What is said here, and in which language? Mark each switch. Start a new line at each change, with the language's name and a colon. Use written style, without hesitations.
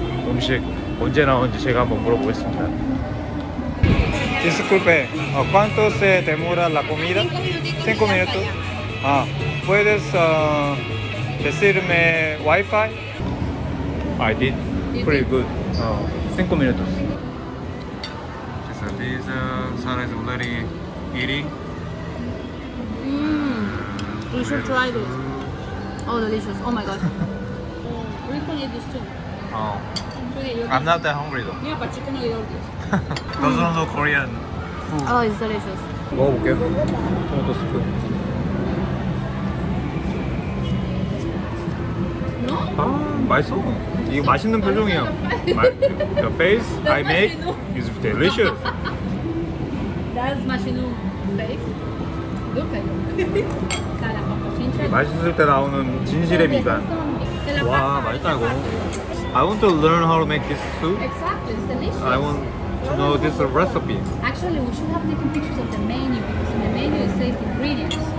Korean: 음식 언제 나온지 제가 한번 물어보겠습니다.
Spanish: Disculpe, ¿cuánto se demora la comida? 5 minutos. 아, puedes decirme Wi-Fi?
English: I did. Pretty good.
Spanish: 5 minutos.
English: So this Sara is already eating. We should try this. Oh, delicious. Oh my god. We can eat this too. Oh. I'm not that hungry though. Yeah, but you can eat all this. Those are no Korean food. Oh, it's delicious. Go, okay. Tomato soup. No?
Korean: Ah, 맛있어. 이게 맛있는 표정이야.
English: The face I make is delicious. That's Machinu face. Look at it.
Korean: 맛있을 때 나오는 진실의 미간. 와, 맛있다고.
English: I want to learn how to make this soup. Exactly, it's delicious. I want to know this recipe. Actually, we should have taken pictures of the menu because in the menu it says the ingredients.